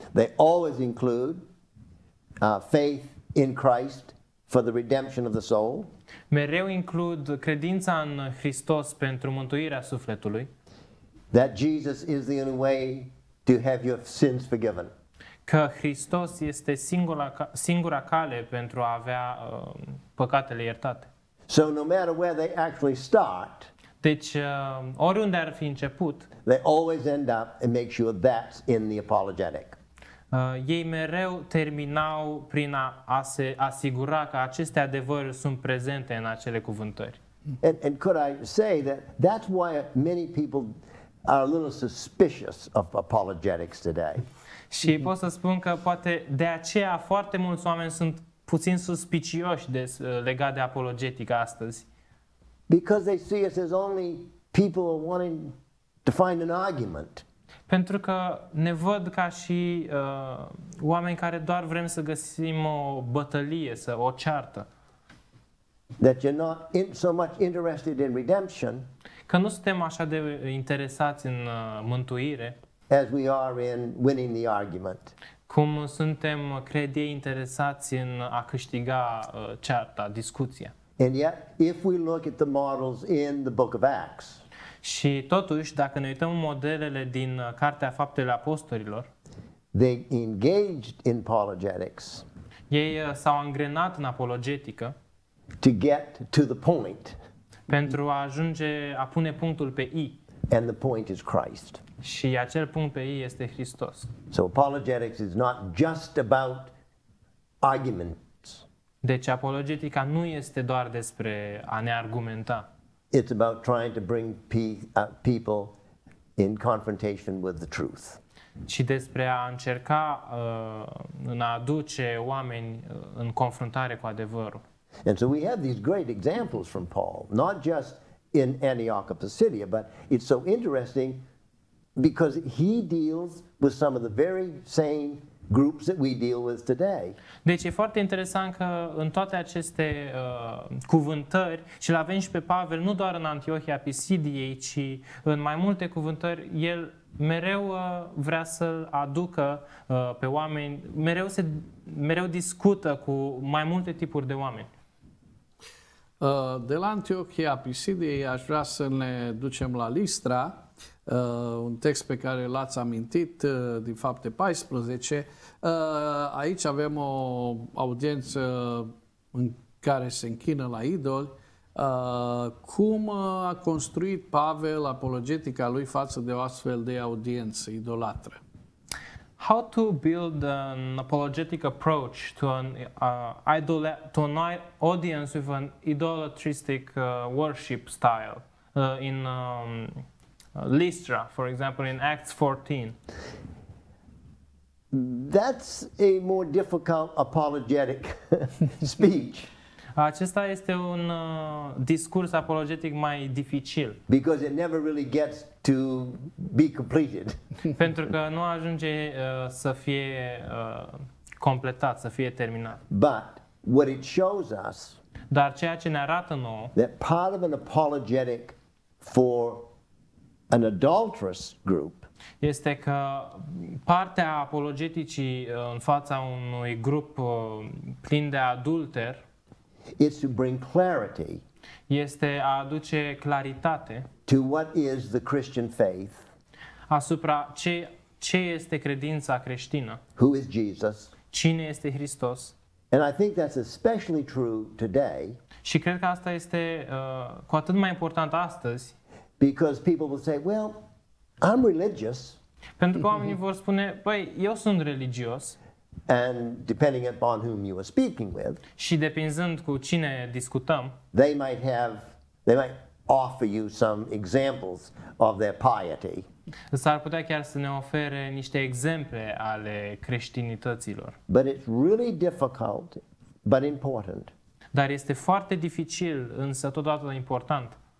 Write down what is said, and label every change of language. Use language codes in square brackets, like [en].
[en] They always include faith in Christ for the redemption of the soul. [ro] Mereu includ credința în Hristos pentru mântuirea sufletului. [en] That Jesus is the only way to have your sins forgiven. [ro] Că Hristos este singura cale pentru a avea păcatele iertate. [en] So no matter where they actually start, [ro] deci oriunde ar fi început, [en] they always end up and make sure that's in the apologetic. [ro] Ei mereu terminau prin a se asigura că aceste adevăruri sunt prezente în acele cuvântări. [en] And could I say that that's why many people are a little suspicious of apologetics today. [ro] Și pot să spun că poate de aceea foarte mulți oameni sunt puțin suspicioși legat de apologetică astăzi. [en] Because they see us as only people wanting to find an argument. [ro] Pentru că ne văd ca și oameni care doar vrem să găsim o bătălie, să o ceartă. [en] That you're not so much interested in redemption. [ro] Că nu suntem așa de interesați în mântuire. [en] As we are in winning the argument. [ro] Cum suntem, cred ei, interesați în a câștiga cearta, discuția. [en] And yet, if we look at the models in the book of Acts. [ro] Și totuși, dacă ne uităm modelele din Cartea Faptele Apostolilor, [en] they engaged in apologetics. [ro] Ei s-au angrenat în apologetică. [en] To get to the point. [ro] Pentru a ajunge, a pune punctul pe I. [en] And the point is Christ. [ro] Și acel punct pe I este Hristos. [en] So apologetics is not just about arguments. [ro] Deci apologetica nu este doar despre a ne argumenta. [en] It's about trying to bring people in confrontation with the truth. [ro] Ci despre a încerca în a aduce oameni în confruntare cu adevărul. [en] And so we have these great examples from Paul, not just in Antioch of Pisidia, but it's so interesting because he deals with some of the very same groups that we deal with today. [ro] Deci e foarte interesant că în toate aceste cuvântări, și l-avem și pe Pavel, nu doar în Antiohia Pisidiei, ci în mai multe cuvântări, el mereu vrea să aducă pe oameni, mereu discută cu mai multe tipuri de oameni. De la Antiohia Pisidiei aș vrea să ne ducem la Listra, un text pe care l-ați amintit din Fapte 14. Aici avem o audiență în care se închină la idoli. Cum a construit Pavel apologetica lui față de o astfel de audiență idolatră? [en] How to build an apologetic approach to an audience with an idolatristic worship style in Lystra, for example, in Acts 14? That's a more difficult apologetic speech. [ro] Acesta este un discurs apologetic mai dificil. [en] Because it never really gets to be completed. [ro] Pentru că nu ajunge să fie completat, să fie terminat. [en] But what it shows us, [ro] dar ceea ce ne arată nouă, [en] that part of an apologetic for an adulterous group, [ro] este că partea apologeticii în fața unui grup plin de adulteri, [en] it's to bring clarity. [ro] Este a aduce claritate. [en] To what is the Christian faith? [ro] Asupra ce este credința creștină? [en] Who is Jesus? [ro] Cine este Hristos? [en] And I think that's especially true today. [ro] Și cred că asta este cu atât mai important astăzi. [en] Because people will say, "Well, I'm religious." [ro] Pentru că oamenii vor spune, "Păi, eu sunt religios." [en] And depending upon whom you are speaking with, [ro] și depinzând cu cine discutăm, [en] they might offer you some examples of their piety. [ro] S-ar putea chiar să ne ofere niște exemple ale creștinităților. [en] But it's really difficult, but important. [ro] Dar este foarte dificil, însă totodată important.